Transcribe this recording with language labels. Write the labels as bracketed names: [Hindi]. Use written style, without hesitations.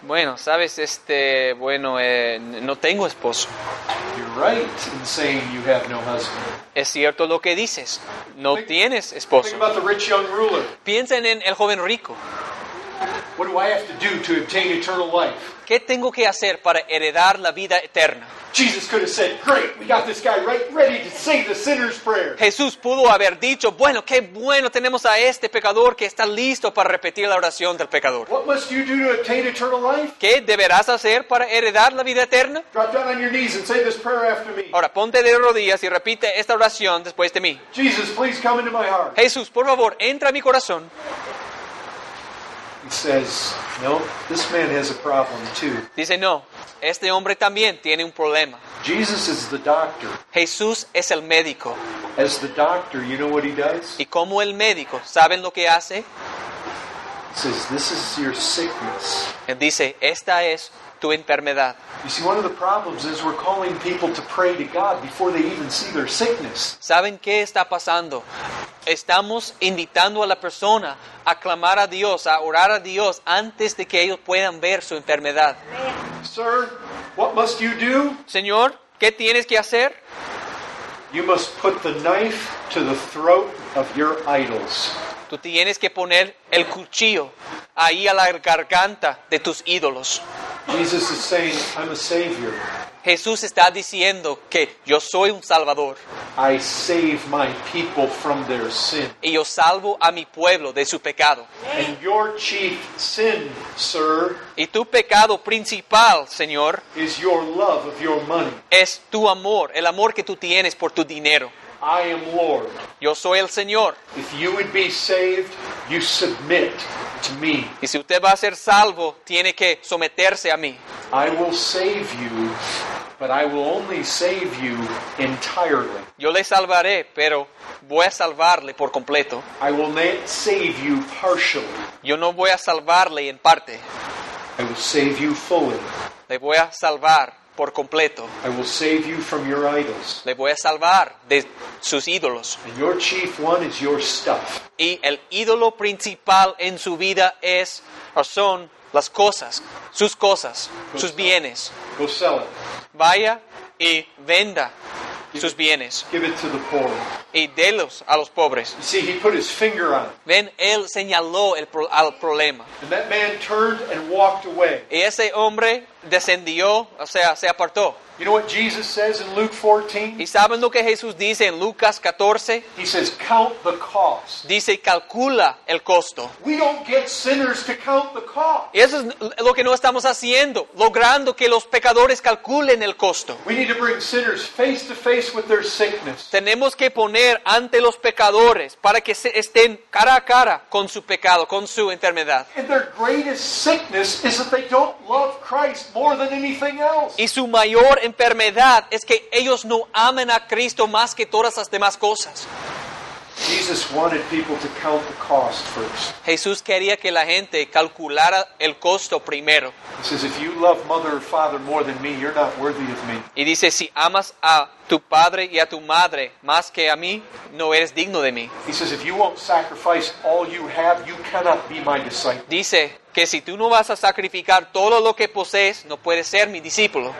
[Spanish] Bueno, sabes, no tengo esposo. [English] You're right in saying you have no husband. [Spanish] Es cierto lo que dices. No tienes esposo. [English] Think about the rich young ruler. [Spanish] Piensa en el joven rico. [English] What do I have to do to obtain eternal life? [Spanish] ¿Qué tengo que hacer para heredar la vida eterna? [English] Jesus could have said, great, we got this guy right ready to say the sinner's prayer. [Spanish] Jesús pudo haber dicho, bueno, qué bueno, tenemos a este pecador que está listo para repetir la oración del pecador. [English] What must you do to obtain eternal life? [Spanish] ¿Qué deberás hacer para heredar la vida eterna? [English] Drop down on your knees and say this prayer after me. [Spanish] Ahora, ponte de rodillas y repite esta oración después de mí. [English] Jesus, please come into my heart. [Spanish] Jesús, por favor, entra a mi corazón. [English] He says, no, this man has a problem too. [Spanish] Dice, no, este hombre también tiene un problema. [English] Jesus is the doctor. [Spanish] Jesús es el médico. [English] As the doctor, you know what he does? [Spanish] Y como el médico, ¿saben lo que hace? [English] He says, this is your sickness. [Spanish] Él dice, esta es tu enfermedad. [English] You see, one of the problems is we're calling people to pray to God before they even see their sickness. [Spanish] ¿Saben qué está pasando? Estamos invitando a la persona a clamar a Dios, a orar a Dios antes de que ellos puedan ver su enfermedad. [English] Sir, what must you do? [Spanish] Señor, ¿qué tienes que hacer? [English] You must put the knife to the throat of your idols. [Spanish] Tú tienes que poner el cuchillo ahí a la garganta de tus ídolos. [English] Jesus is saying, I'm a savior. [Spanish] Jesús está diciendo que yo soy un salvador. [English] I save my people from their sin. [Spanish] Y yo salvo a mi pueblo de su pecado. [English] And your chief sin, sir, [Spanish] y tu pecado principal, Señor, [English] is your love of your money. [Spanish] Es tu amor, el amor que tú tienes por tu dinero. [English] I am Lord. [Spanish] Yo soy el Señor. [English] If you would be saved, you submit to me. [Spanish] Y si usted va a ser salvo, tiene que someterse a mí. [English] I will save you But I will only save you entirely. [Spanish] Yo le salvaré, pero voy a salvarle por completo. [English] I will not save you partially. [Spanish] Yo no voy a salvarle en parte. [English] I will save you fully. [Spanish] Le voy a salvar por completo. [English] I will save you from your idols. [Spanish] Le voy a salvar de sus ídolos. [English] And your chief one is your stuff. [Spanish] Y el ídolo principal en su vida es o son las cosas, sus bienes. [English] Go sell it. [Spanish] Vaya y venda sus bienes. [English] Give it to the poor. [Spanish] Y délos a los pobres. [English] You see, he put his finger on it. [Spanish] Ven, él señaló al problema. [English] And that man turned and walked away. [Spanish] Y ese hombre descendió, o sea, se apartó. [English] You know what Jesus says in Luke 14? [Spanish] ¿Y saben lo que Jesús dice en Lucas 14? [English] He says, count the cost. [Spanish] Dice, calcula el costo. [English] We don't get sinners to count the cost. [Spanish] Y eso es lo que no estamos haciendo, logrando que los pecadores calculen el costo. [English] We need to bring sinners face to face with their sickness. [Spanish] Tenemos que poner ante los pecadores para que estén cara a cara con su pecado, con su enfermedad. [English] And their greatest sickness is that they don't love Christ more than anything else. [Spanish] Y su mayor enfermedad es que ellos no amen a Cristo más que todas las demás cosas. [English] Jesus wanted people to count the cost first. [Spanish] Jesús quería que la gente calculara el costo primero. [English] He says, if you love mother or father more than me, you're not worthy of me. [Spanish] Y dice, si amas a tu padre y a tu madre más que a mí, no eres digno de mí. [English] He says, if you won't sacrifice all you have, you cannot be my disciple. [Spanish] Dice que si tú no vas a sacrificar todo lo que posees, no puedes ser mi discípulo.